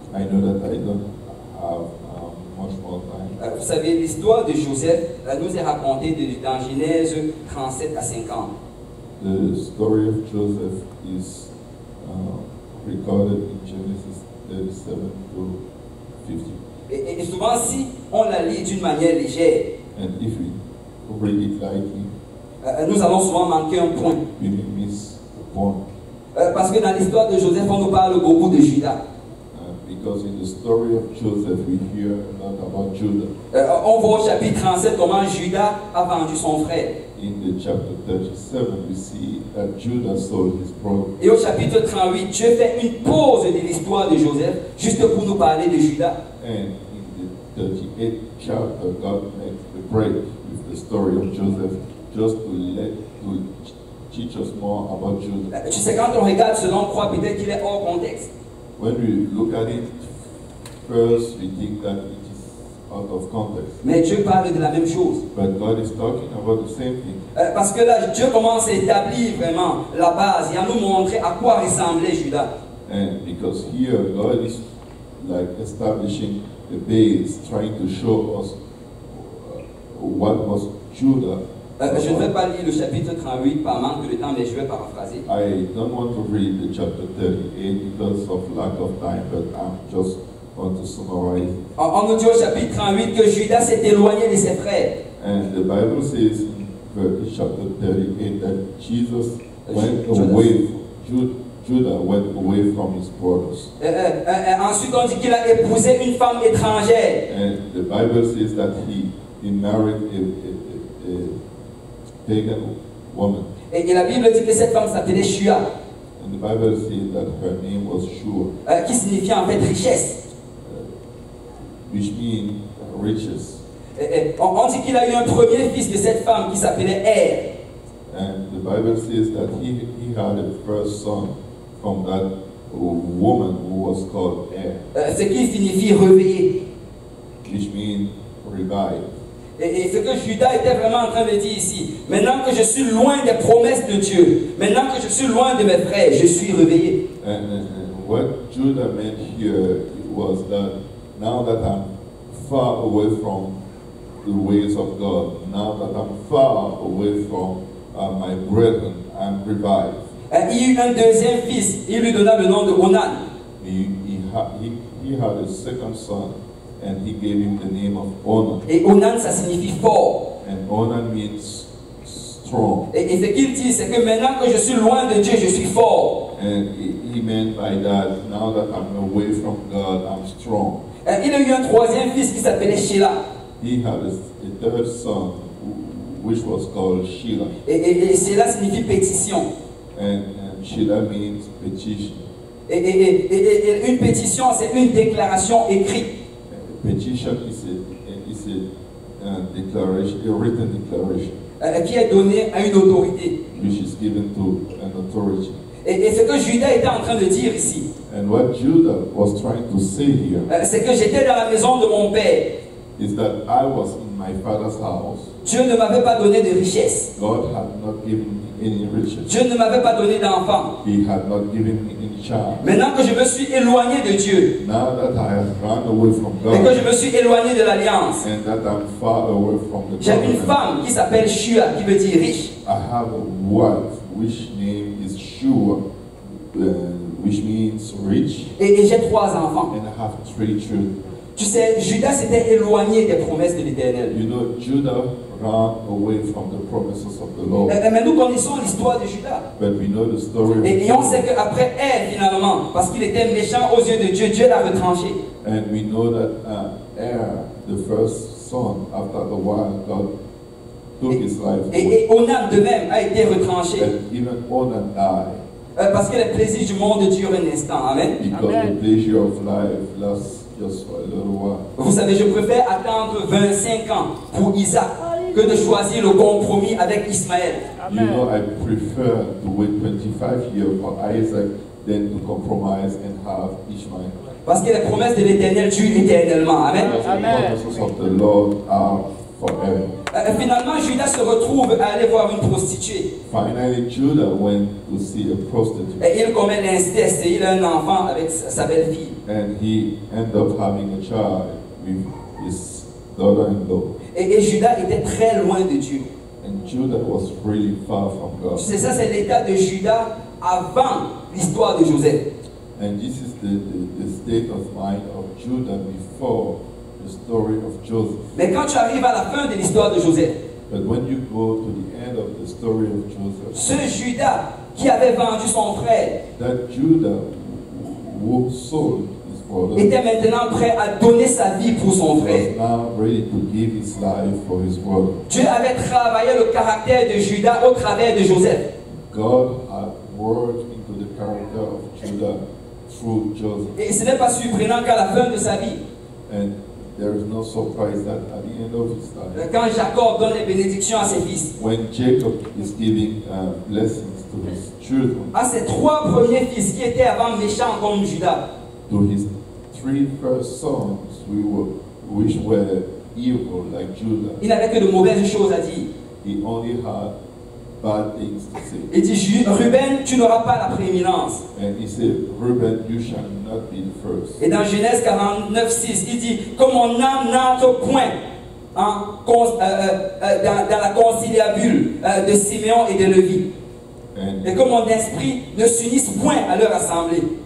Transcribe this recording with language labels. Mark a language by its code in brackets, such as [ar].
[en] I know that I don't have much more time. [fr] Vous savez, l'histoire de Joseph nous est racontée dans Genèse 37 à 50. [en] The story of Joseph is recorded in Genesis 37 to 50. [fr] Et souvent, si on la lit d'une manière légère, [en] and if we read it lightly, [fr] nous allons souvent manquer un point. [en] We may miss a point. [fr] Parce que dans l'histoire de Joseph, on nous parle beaucoup de Judas. [en] Because in the story of Joseph, we hear a lot about Judah. [fr] On voit au chapitre 37 comment Judas a vendu son frère. [en] In the chapter 37, we see that Judah sold his brother. [fr] Et au chapitre 38, Dieu fait une pause de l'histoire de Joseph juste pour nous parler de Judas. [en] And in the 38th chapter, God makes a break with the story of Joseph just to teach us more about Judah. [fr] Tu sais, quand on regarde selon quoi, peut-être qu'il est hors contexte. [en] When we look at it first, we think that it is out of context. [fr] Mais Dieu parle de la même chose. [en] But God is talking about the same thing. [fr] Parce que là, Dieu commence à établir vraiment la base et à nous montrer à quoi ressemblait Judas. [en] And because here God is like establishing the base, trying to show us what was Judah. [fr] Je ne vais pas lire le chapitre 38 par manque de temps, mais je vais paraphraser. [en] I don't want to read the chapter 38 because of lack of time, but I just want to summarize. [fr] On nous dit au chapitre 38 que Judas s'est éloigné de ses frères. [en] And the Bible says in chapter 38 that Jesus went away. Judah went away from his brothers. [fr] Ensuite, on dit qu'il a épousé une femme étrangère. [en] And the Bible says that he married a pagan woman. [fr] Et la Bible dit que cette femme s'appelait Shua. [en] And the Bible says that her name was Shua. [fr] Qui signifie en fait richesse. [en] Which means riches. [fr] On dit qu'il a eu un premier fils de cette femme qui s'appelait Er. [en] And the Bible says that he had a first son from that woman who was called Er. [fr] Ce qui signifie réveiller. [en] Which means revive. [fr] Et ce que Judas était vraiment en train de dire ici, maintenant que je suis loin des promesses de Dieu, maintenant que je suis loin de mes frères, je suis réveillé. [en] And what Judah meant here was that now that I'm far away from the ways of God, now that I'm far away from my brethren, I'm revived. [fr] Et il y a eu un deuxième fils, il lui donna le nom de Onan. [en] He had a second son. And he gave him the name of Onan. [fr] Et Onan, ça signifie fort. [en] And Onan means strong. [fr] Et ce qu'il dit, c'est que maintenant que je suis loin de Dieu, je suis fort. [en] And he meant by that, now that I'm away from God, I'm strong. [fr] Et il a eu un troisième fils qui s'appelait Shelah. [en] he had a third son, which was called Sheila. [fr] Et Sheila signifie pétition. [en] And Sheila means petition. [fr] Et une pétition, c'est une déclaration écrite. [en] Petition is a declaration, a written declaration. [fr] Qui est donné à une autorité. [en] Which is given to an authority. [fr] Et ce que Judas était en train de dire ici. [en] And what Judah was trying to say here. [fr] C'est que j'étais dans la maison de mon père. [en] Is that I was in my father's house. [fr] Dieu ne m'avait pas donné de richesse. [en] God had not given me any riches. [fr] Dieu ne m'avait pas donné d'enfant. [en] He had not given me any child. [fr] Maintenant que je me suis éloigné de Dieu. [en] Now that I have run away from God. [fr] Et que je me suis éloigné de l'alliance. [en] And that I'm far away from the covenant. [fr] J'ai une femme qui s'appelle Shua, qui veut dire riche. [en] I have a wife which name is Shua, which means rich. [fr] Et j'ai trois enfants. [en] And I have three children. [fr] Tu sais, Judas s'était éloigné des promesses de l'Éternel. [en] You know, Judah ran away from the promises of the Lord. [fr] Mais nous connaissons l'histoire de Judas. [en] But we know the story. [fr] Et on sait qu'après Ève, finalement, parce qu'il était méchant aux yeux de Dieu, Dieu l'a retranché. [en] And we know that Ève, the first son, after a while, God took his life away. [fr] Et Onan de même a été retranché. [en] And even Onan died. [fr] Parce que les plaisirs du monde durent un instant. [en] Amen. Because the pleasure of life lasts just for a little while. [fr] Vous savez, je préfère attendre 25 ans pour Isaac que de choisir le compromis avec Ismaël. [en] You know, I prefer to wait 25 years for Isaac than to compromise and have Ishmael. [fr] Parce que les promesses de l'Éternel durent éternellement. [en] Amen. The promises of the Lord are forever. [fr] Finalement, Judas se retrouve à aller voir une prostituée. [en] Finally, Judah went to see a prostitute. [fr] Et il commet l'inceste et il a un enfant avec sa belle-fille. [en] And he ended up having a child with his daughter-in-law. [fr] Et Judas était très loin de Dieu. [en] And Judah was really far from God. [fr] C'est ça, c'est l'état de Judas avant l'histoire de Joseph. [en] And this is the state of mind of Judah before the story of Joseph. [fr] Mais quand tu arrives à la fin de l'histoire de Joseph, [en] but when you go to the end of the story of Joseph, [fr] ce Judas qui avait vendu son frère, [en] that Judah who sold his brother, [fr] était maintenant prêt à donner sa vie pour son frère. [en] Was now ready to give his life for his brother. [fr] Dieu avait travaillé le caractère de Judas au travers de Joseph. [en] God had worked into the character of Judah through Joseph. [fr] Et ce n'est pas surprenant qu'à la fin de sa vie, [en] and there is no surprise that at the end of his life, [fr] quand Jacob donne les bénédictions à ses fils, [en] when Jacob is giving blessings to his children, [fr] à ses trois premiers fils qui étaient avant méchants comme Judas, [en] to his three first sons which were evil like Judah, [fr] il n'avait que de mauvaises choses à dire. [en] He only had bad things to say. [fr] Il dit, Ruben, tu n'auras pas la prééminence. [en] And he said, Ruben, you shall not be the first. [fr] Et dans Genèse 49, 6, il dit, que mon âme n'entre point dans la conciliabule de Siméon et de Lévi. Et que mon esprit ne s'unisse point à leur assemblée.